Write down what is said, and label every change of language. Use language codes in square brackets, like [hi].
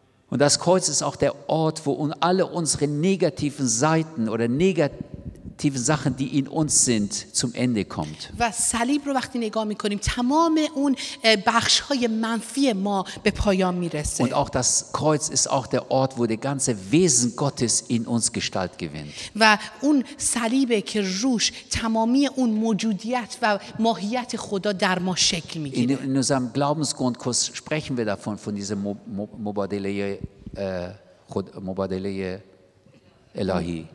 [de] Und das Kreuz ist auch der Ort, wo alle unsere negativen Seiten oder negativen Sachen, die in uns sind, zum Ende kommt. [fa] Was صلیب رو وقتی نگاه می‌کنیم تمام اون بخش‌های منفی ما به پایان می‌رسه. [de] Und auch das Kreuz ist auch der Ort, wo der ganze Wesen Gottes in uns Gestalt gewinnt. [fa] و اون صلیبی که روش تمامی اون موجودیت و ماهیت خدا در ما شکل می‌گیره. [de] In unserem Glaubensgrundkurs sprechen wir davon von dieser [fa] Mubadeleye Mubadeleye الهی